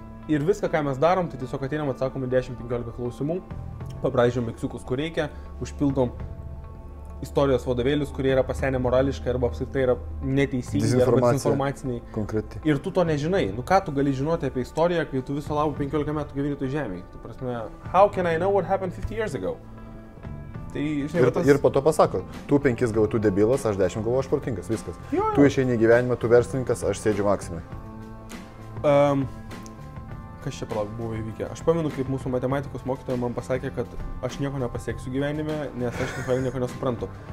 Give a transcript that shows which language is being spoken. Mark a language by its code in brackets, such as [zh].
[lt] Ir viską, ką mes darom, tai tiesiog ateinam, atsakom į 10-15 klausimų, pabraižiam miksiukus, kur reikia, užpildom istorijos vadovėlius, kurie yra pasenę morališkai arba apskritai yra neteisingi arba disinformaciniai. Konkretai. Ir tu to nežinai. Nu ką tu gali žinoti apie istoriją, kai tu viso labo 15 metų gyveni toj žemėj? Tu prasme, [en] how can I know what happened 50 years ago? [lt] Tai, žinai, ir po to pasako, tu 5 gavau, tu debilas, aš 10 gavau, aš protingas, viskas. Jo. Tu išeini į gyvenimą, tu verslininkas, aš sėdžiu maksimai. Kas čia palauk buvo įvykę? Aš pamenu, kaip mūsų matematikos mokytoja man pasakė, kad aš nieko nepasieksiu gyvenime, nes aš nieko nesuprantu.